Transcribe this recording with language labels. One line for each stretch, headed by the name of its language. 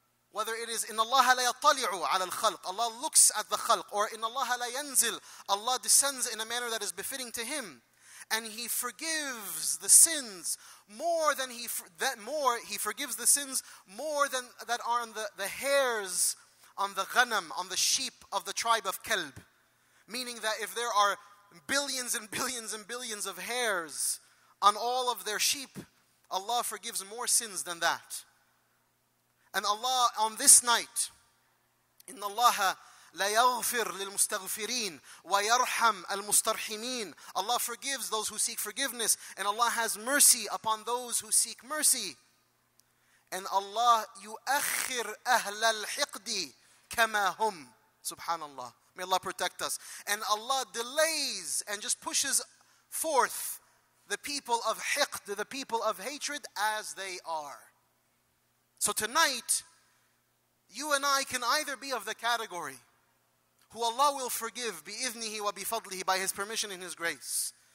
English: Whether it is in Allah
Arabic: la yattali'u ala al-khalq,
English: Allah looks at the khalq, or in Allah
Arabic: la yanzil,
English: Allah descends in a manner that is befitting to Him, and He forgives the sins more than that are on the hairs on the ghanam, on the sheep of the tribe of kelb, meaning that if there are billions and billions and billions of hairs on all of their sheep, Allah forgives more sins than that. And Allah on this night,
Arabic: إن الله لا يغفر للمستغفرين ويرحم المسترحمين.
English: Allah forgives those who seek forgiveness, and Allah has mercy upon those who seek mercy. And Allah
Arabic: يؤخر أهل الحقد كما هم.
English: Subhanallah. May Allah protect us. And Allah delays and just pushes forth the people of hiqd, the people of hatred, as they are. So tonight, you and I can either be of the category who Allah will forgive
Arabic: بِإِذْنِهِ وَبِفَضْلِهِ
English: by His permission and His grace.